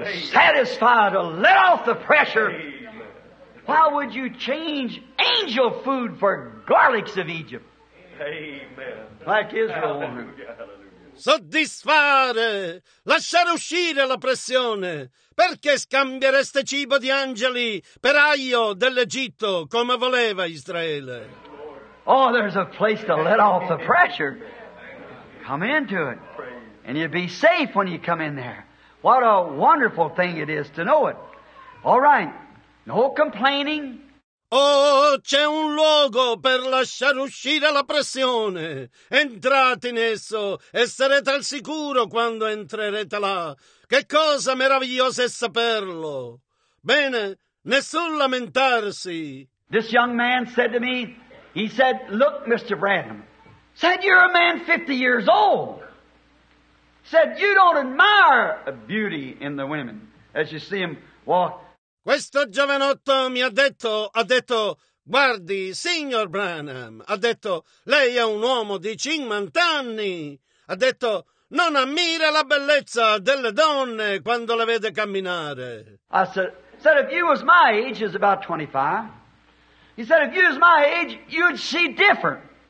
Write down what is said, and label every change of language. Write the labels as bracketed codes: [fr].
[en] Satisfied to let off the pressure. Why would you change angel food for garlics of Egypt? Amen. Like Israel. [it] Soddisfare, lasciare uscire la pressione. Perché scambiereste cibo di angeli per aglio dell'Egitto come voleva Israele? [en] Oh, there's a place to let off the pressure. Come into it. And you'll be safe when you come in there. What a wonderful thing it is to know it. All right, no complaining. [it] Oh, c'è un luogo per lasciare uscire la pressione. Entrate in esso e sarete al sicuro quando entrerete là. Che cosa meravigliosa è saperlo. Bene, nessun lamentarsi. [en] This young man said to me, he said, look, Mr. Branham, said, you're a man 50 years old. Said, you don't admire a beauty in the women as you see them walk. [it] Questo giovanotto mi ha detto, guardi, signor Branham, ha detto, lei è un uomo di 50 anni. Ha detto, non ammira la bellezza delle donne quando le vede camminare. [en] I said, if you was my age, is about 25. He said, if you was my age, you'd see different.